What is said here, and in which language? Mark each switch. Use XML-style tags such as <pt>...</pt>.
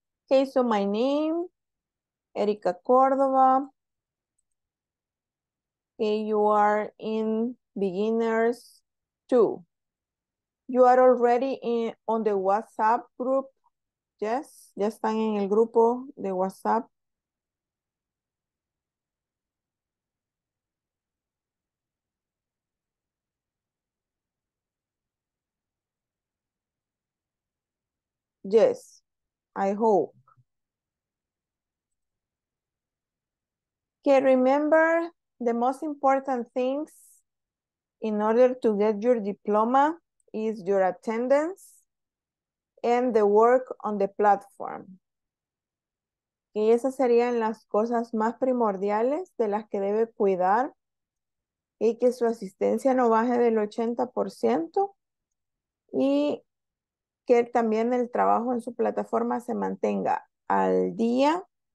<en>Okay, so my name, Erika Cordova. Okay, you are in beginners two. You are already in on the WhatsApp group.</en> <es>Yes, ya están en el grupo de WhatsApp.</es> <en>Yes, I hope. Okay, remember the most important things in order to get your diploma is your attendance and the work on the platform.</en> <es>Y esas serían las cosas más primordiales de las que debe cuidar y que su asistencia no baje del 80% y que también el trabajo en su plataforma se mantenga al día.</es>